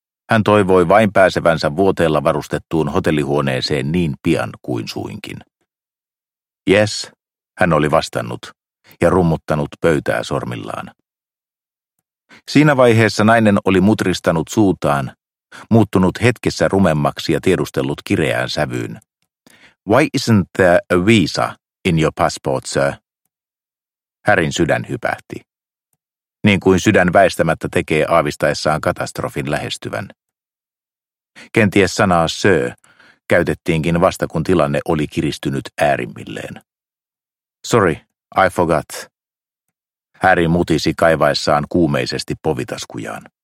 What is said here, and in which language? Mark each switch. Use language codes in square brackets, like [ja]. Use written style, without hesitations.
[fi] Hän toivoi vain pääsevänsä vuoteella varustettuun hotellihuoneeseen niin pian kuin suinkin. [en] Yes, [fi] hän oli vastannut ja rummuttanut pöytää sormillaan. Siinä vaiheessa nainen oli mutristanut suutaan, muuttunut hetkessä rumemmaksi ja tiedustellut kireään sävyyn. [en] Why isn't there a visa in your passport, sir? [fi] Harryn sydän hypähti. Niin kuin sydän väistämättä tekee aavistaessaan katastrofin lähestyvän. Kenties sanaa sir käytettiinkin vasta kun tilanne oli kiristynyt äärimmilleen. [en] Sorry, I forgot. [fi] Harry mutisi kaivaessaan kuumeisesti povitaskujaan.